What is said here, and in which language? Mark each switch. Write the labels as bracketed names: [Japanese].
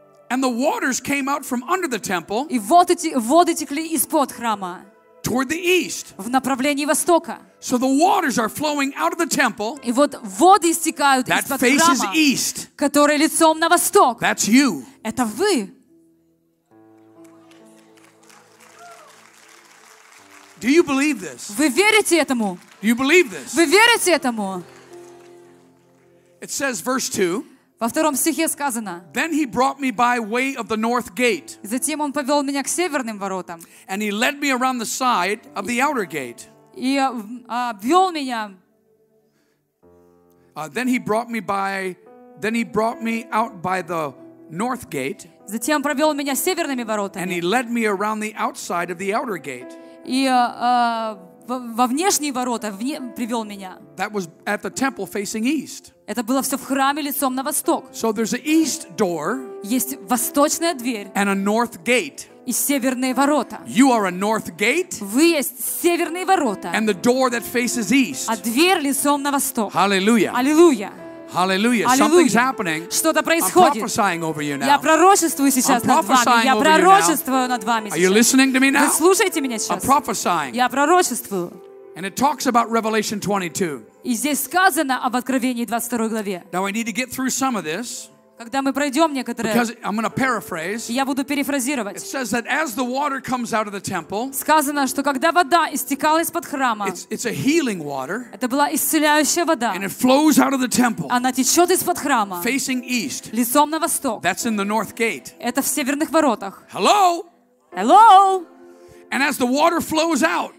[English] And the waters came out from under the temple [Russian] и воды текли из-под храма [English] toward the east. [Russian] В направлении востока. [English] So the waters are flowing out of the temple [Russian] и вот воды истекают [English] that [Russian] из-под [English] faces [Russian] храма, [English] east. [Russian] Который лицом на восток. [English] That's you. [Russian] Это вы. [English] Do you believe this? [Russian] Вы верите этому? [English] Do you believe this? [Russian] Вы верите этому? [English] It says verse 2. [Russian] Во втором стихе сказано. [English] Then he brought me by way of the north gate. [Russian] Затем он повел меня к северным воротам. [English] And he led me around the side of the outer gate. [Russian] И обвел меня. [English] Then he brought me out by the north gate. [Russian] Затем провел меня северными воротами. [English] And he led me around the outside of the outer gate. [Russian] И во внешние ворота привел меня. [English] That was at the temple facing east. [Russian] Это было все в храме лицом на восток. [English] So there's an east door. [Russian] Есть восточная дверь. [English] And a north gate. [Russian] И северные ворота. [English] You are a north gate. [Russian] Вы есть северные ворота. [English] And the door that faces east. [Russian] А дверь лицом на восток. [English] Hallelujah. Hallelujah. Hallelujah. Something's happening. [Russian] Что-то происходит. [English] I'm prophesying over you now. [Russian] Я пророчествую сейчас над вами. Я пророчествую над вами сейчас. [English] Are you listening to me now? [Russian] Вы слушаете меня сейчас? [English] I'm prophesying. [Russian] Я пророчествую. [English] And it talks about Revelation 22. [Russian] И здесь сказано об Откровении 22 главе. [English] Now I need to get through some of this. [Russian] Когда мы пройдем некоторые, [English] because I'm going to paraphrase. [Russian] Я буду перефразировать. [English] It says that as the water comes out of the temple. [Russian] Сказано, что когда вода истекала из-под храма. [English] It's a healing water. [Russian] Это была исцеляющая вода. [English] And it flows out of the temple. [Russian] Она течет из-под храма. [English] Facing east. [Russian] Лицом на восток. [English] That's in the north gate. [Russian] Это в северных воротах. [English] Hello. Hello. And as the water flows out.